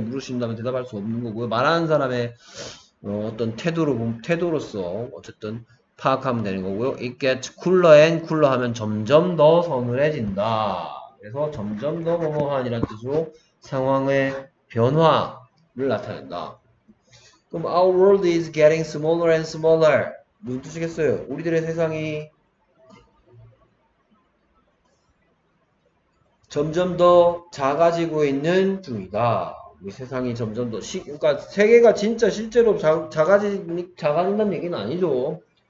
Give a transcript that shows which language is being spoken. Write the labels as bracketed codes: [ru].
[ko] 물으신다면 대답할 수 없는 거고요. 말하는 사람의 어떤 태도로서 어쨌든 파악하면 되는 거고요. [en] It gets cooler and cooler [ko] 하면 점점 더 서늘해진다. 그래서 점점 더 뭐뭐한이라는 뜻으로 상황의 변화를 나타낸다. [en] 그럼 our world is getting smaller and smaller. [ko] 무슨 뜻이겠어요? 우리들의 세상이 점점 더 작아지고 있는 중이다. 우리 세상이 점점 더, 그러니까 세계가 진짜 실제로 작아진다는 얘기는 아니죠.